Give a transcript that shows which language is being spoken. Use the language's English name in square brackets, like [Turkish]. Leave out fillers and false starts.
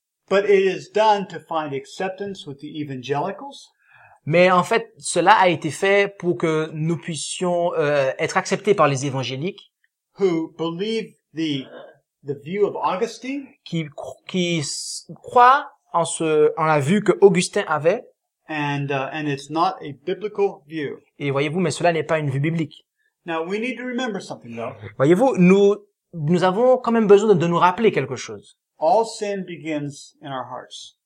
[English] But it is done to find acceptance with the evangelicals. [French] Mais en fait, cela a été fait pour que nous puissions être acceptés par les évangéliques. [English] Who believe the view of Augustine? [French] Qui croit en la vue que Augustin avait? [English] And it's not a biblical view. [French] Et voyez-vous, mais cela n'est pas une vue biblique. [English] Now we need to remember something though. [French] Voyez-vous, nous avons quand même besoin de nous rappeler quelque chose. [English] All sin begins in our hearts.